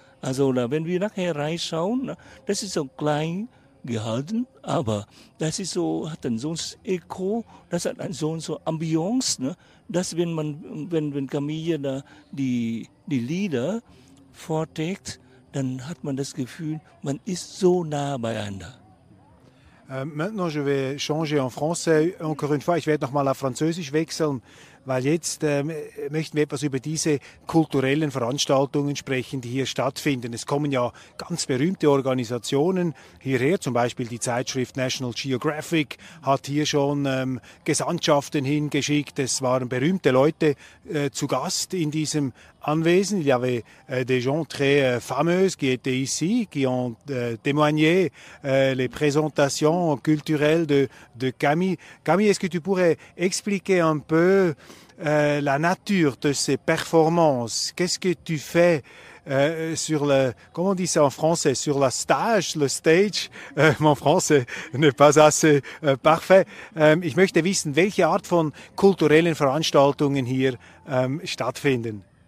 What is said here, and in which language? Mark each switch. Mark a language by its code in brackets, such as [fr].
[de] Also da, wenn wir nachher reinschauen, ne, das ist so klein gehalten, aber das ist so, hat dann so ein Echo, das hat dann so Ambiance, ne, dass wenn Camille da die Lieder vorträgt, dann hat man das Gefühl, man ist so nah beieinander. [fr] Maintenant, je vais changer en français. [de] Encore une fois, ich werde nochmal auf Französisch wechseln, weil jetzt möchten wir etwas über diese kulturellen Veranstaltungen sprechen, die hier stattfinden. Es kommen ja ganz berühmte Organisationen hierher, zum Beispiel die Zeitschrift National Geographic hat hier schon Gesandtschaften hingeschickt. Es waren berühmte Leute zu Gast in diesem Anwesen. [fr] Il y avait des gens très fameux qui étaient ici, qui ont témoigné les présentations culturelles de Camille. Camille, est-ce que tu pourrais expliquer un peu la nature de ces performances? Qu'est-ce que tu fais sur le, comment on dit ça en français, sur la stage, le stage? Mon français n'est pas assez parfait. [de] Ich möchte wissen, welche Art von kulturellen Veranstaltungen hier stattfinden.